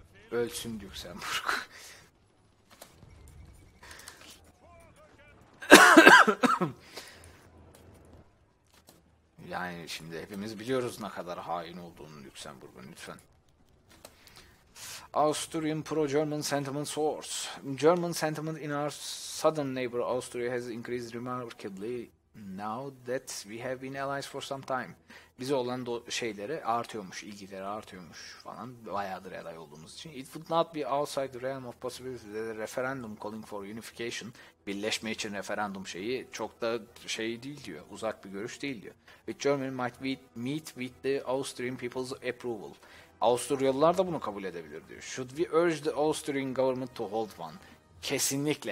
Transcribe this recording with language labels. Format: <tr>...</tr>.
<tr>Ölsün Lüksemburg. Yani şimdi hepimiz biliyoruz ne kadar hain olduğunu Lüksemburg'un lütfen.</tr> <en>Austrian pro-German sentiment soars. German sentiment in our southern neighbor Austria has increased remarkably now that we have been allies for some time.</en> <tr>Bize olan şeyleri artıyormuş, ilgileri artıyormuş falan. Bayağıdır aday olduğumuz için.</tr> <en>It would not be outside the realm of possibility that a referendum calling for unification,</en> <tr>birleşme için referandum şeyi çok da şey değil diyor. Uzak bir görüş değil diyor.</tr> <en>With Germany might meet with the Austrian people's approval.</en> <tr>Avusturyalılar da bunu kabul edebilir diyor.</tr> <en>Should we urge the Austrian government to hold one? Kesinlikle.</en>